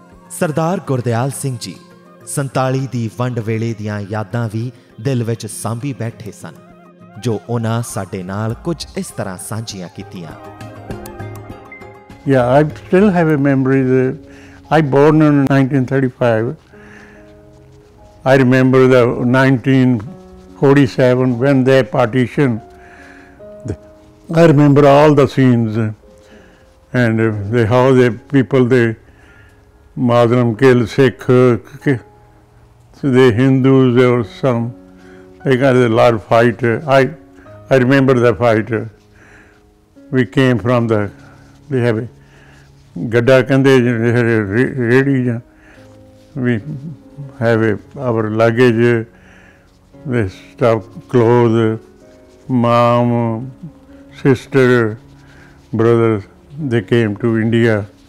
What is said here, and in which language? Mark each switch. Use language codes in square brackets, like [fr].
[pa] ਸਰਦਾਰ ਗੁਰਦਿਆਲ ਸਿੰਘ ਜੀ 47 ਦੀ ਵੰਡ ਵੇਲੇ ਦੀਆਂ ਯਾਦਾਂ ਵੀ ਦਿਲ ਵਿੱਚ ਸਾਂਭੀ ਬੈਠੇ ਸਨ। ਜੋ ਉਹਨਾਂ ਸਾਡੇ ਨਾਲ ਕੁਝ ਇਸ ਤਰ੍ਹਾਂ ਸਾਂਝੀਆਂ ਕੀਤੀਆਂ। [en] Yeah, I still have a memory that I born in 1935. I remember the 1947 when they partition. I remember all the scenes and how the people, the Muslim killed Sikh, the Hindus or some, they got a lot of fight. I remember the fight. We came from the, they have a [pa] ਗੱਡਾ ਕਹਿੰਦੇ ਜਿਹੜੇ ਰੇਹੜੀ [en] ਜਾਂ we have a our luggage stuff cloth mom sister brother they came to India